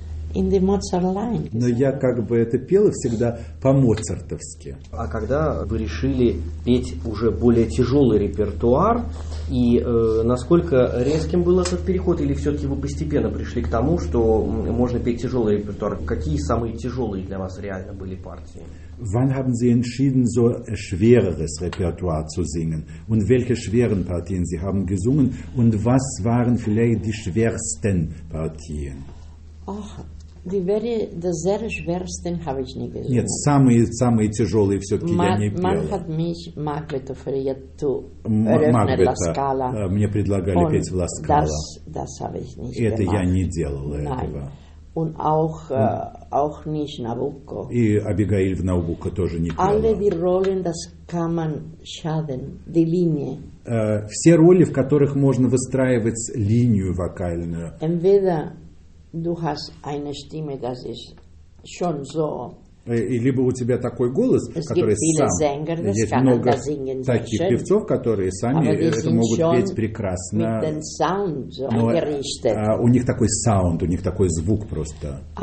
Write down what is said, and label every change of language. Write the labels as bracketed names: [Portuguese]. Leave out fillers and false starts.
[Russian] Но я как бы это пела всегда по-моцартовски. А когда вы решили петь уже более тяжелый репертуар, и насколько резким был этот переход, или все-таки вы постепенно пришли к тому, что можно петь тяжелый репертуар? Какие самые тяжелые для вас реально были партии? [German] Wann haben Sie entschieden, so schwereres Repertoire zu singen? Und welche schweren Partien Sie haben gesungen? Und was waren vielleicht die schwersten Partien? Ach, die sehr schwersten habe ich nie gesungen. [Russian] Нет, самые тяжелые все-таки я не пела. [German] Man hat mich Macbeth offeriert zu eröffnen La Scala. [Russian] Мне предлагали петь в La Scala. [German] Das habe ich nicht gemacht. [Russian] Это я не делала этого. [German] Und auch, auch nicht Nabucco. [Russian] И Абигаил в Набукко тоже не пела. [German] Alle die Rollen, das kann man schaden, die Linie. [Russian] Все роли, в которых можно выстраивать линию вокальную. [German] Entweder du hast eine Stimme, das ist schon so. [Russian] И либо у тебя такой голос, который сам, [German] Sänger, [Russian] есть много таких певцов, которые сами это могут петь прекрасно, но у них такой саунд, у них такой звук просто